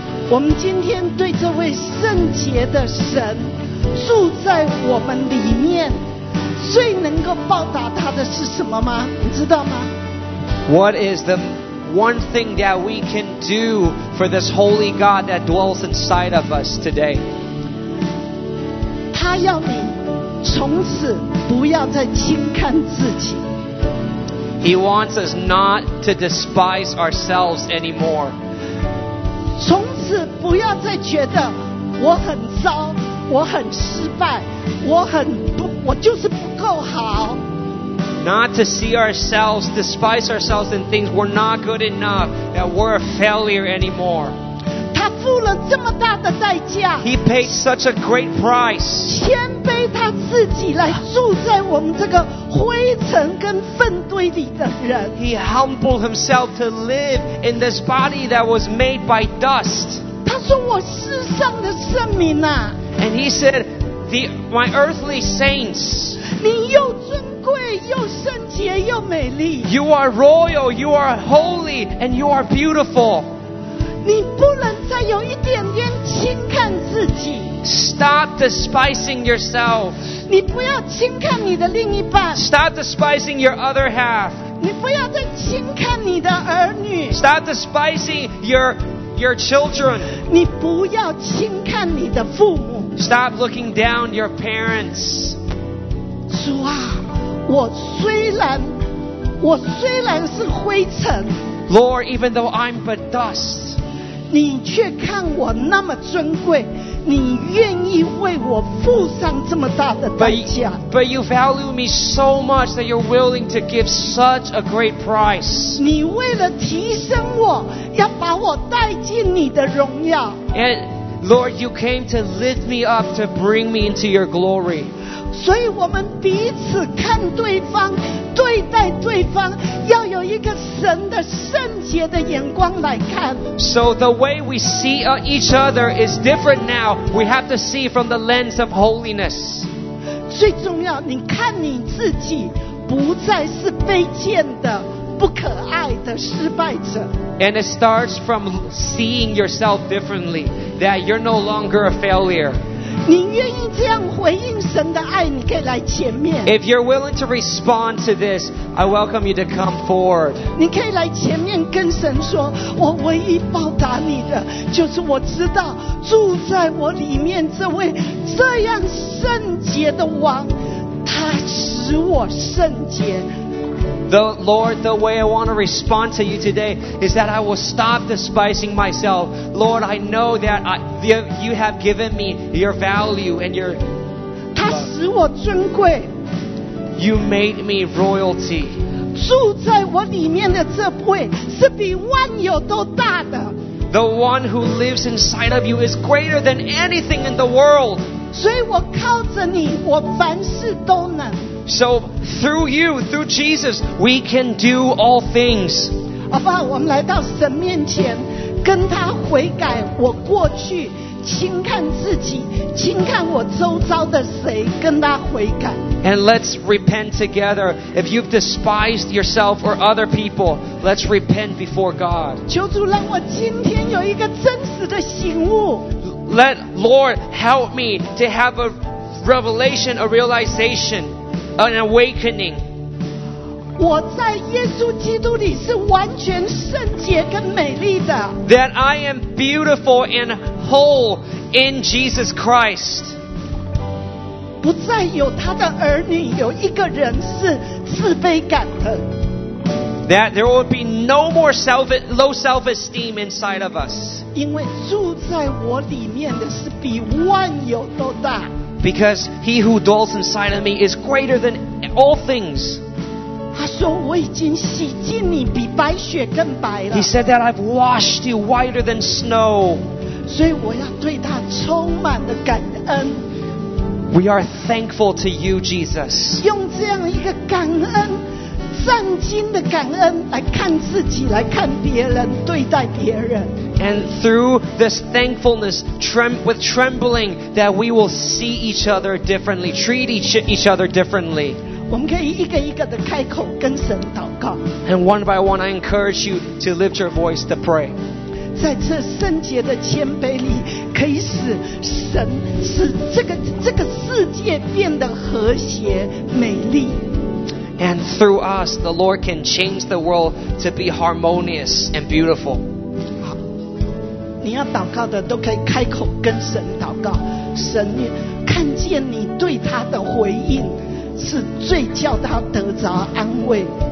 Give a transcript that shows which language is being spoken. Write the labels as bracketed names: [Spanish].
[Chinese] 我们今天对这位圣洁的神住在我们里面，最能够报答他的是什么吗？你知道吗？ [English] What is the one thing that we can do for this holy God that dwells inside of us today? [Chinese] 他要你从此不要再轻看自己。 [English] He wants us not to despise ourselves anymore. [Chinese] 从此不要再觉得我很糟，我很失败，我就是不够好。 [English] Not to see ourselves, despise ourselves in things we're not good enough, that we're a failure anymore. [Chinese] 他付了这么大的代价。 [English] He paid such a great price. [Chinese] 谦卑他自己来住在我们这个灰尘跟粪堆里的人。 [English] He humbled himself to live in this body that was made by dust. [Chinese] 他说我世上的圣民啊。 [English] And he said, my earthly saints. [Chinese] 你又尊贵又圣洁又美丽。 [English] You are royal, you are holy, and you are beautiful. [Chinese] 你不能再有一点点轻看自己。 [English] Stop despising yourself. [Chinese] 你不要轻看你的另一半。 [English] Stop despising your other half. [Chinese] 你不要再轻看你的儿女。 [English] Stop despising your children. [Chinese] 你不要轻看你的父母。 [English] Stop looking down your parents. [Chinese] 主啊，我虽然是灰尘。 [English] Lord, even though I'm but dust. [Chinese] 你却看我那么尊贵，你愿意为我付上这么大的代价。 [English] But you value me so much that you're willing to give such a great price. [Chinese] 你为了提升我，要把我带进你的荣耀。 [English] And Lord, you came to lift me up, to bring me into your glory. [Chinese] 所以我们彼此看对方，对待对方，要有一个神的圣洁的眼光来看。 [English] So the way we see each other is different now. We have to see from the lens of holiness. [Chinese] 最重要，你看你自己不再是卑贱的，不可爱的失败者。 [English] And it starts from seeing yourself differently, that you're no longer a failure. [Chinese] 你愿意这样回应神的爱，你可以来前面。 [English] If you're willing to respond to this, I welcome you to come forward. [Chinese] 你可以来前面跟神说，我唯一报答你的，就是我知道住在我里面这位这样圣洁的王，他使我圣洁。 [English] The Lord, the way I want to respond to you today is that I will stop despising myself. Lord, I know that you have given me your value and your love. [Chinese] 他使我尊贵。 [English] You made me royalty. [Chinese] 住在我里面的这位是比万有都大的。 [English] The one who lives inside of you is greater than anything in the world. [Chinese] 所以我靠着你，我凡事都能。 [English] So through you, through Jesus, we can do all things. [Chinese] 阿爸，我们来到神面前，跟他悔改我过去轻看自己，轻看我周遭的谁，跟他悔改。 [English] And let's repent together. If you've despised yourself or other people, let's repent before God. [Chinese] 求主让我今天有一个真实的醒悟。 [English] Let Lord help me to have a revelation, a realization. An awakening. [Chinese] 我在耶稣基督里是完全圣洁跟美丽的。 [English] That I am beautiful and whole in Jesus Christ. [Chinese] 不再有他的儿女有一个人是自卑感的。 [English] That there will be no more low self-esteem inside of us. [Chinese] 因为住在我里面的是比万有都大。 [English] Because he who dwells inside of me is greater than all things. [Chinese] 他说我已经洗净你比白雪更白了。 [English] He said that I've washed you whiter than snow. [Chinese] 所以我要对他充满了感恩。 [English] We are thankful to you, Jesus. [Chinese] 用这样一个感恩，战兢的感恩来看自己，来看别人，对待别人。 [English] And through this thankfulness, with trembling, that we will see each other differently, treat each other differently. [Chinese] 我们可以一个一个的开口跟神祷告。 [English] And one by one, I encourage you to lift your voice to pray. [Chinese] 在这圣洁的谦卑里，可以使神使这个世界变得和谐美丽。 [English] And through us, the Lord can change the world to be harmonious and beautiful. [Chinese] 你要祷告的都可以开口跟神祷告，神看见你对他的回应，是最叫他得着安慰。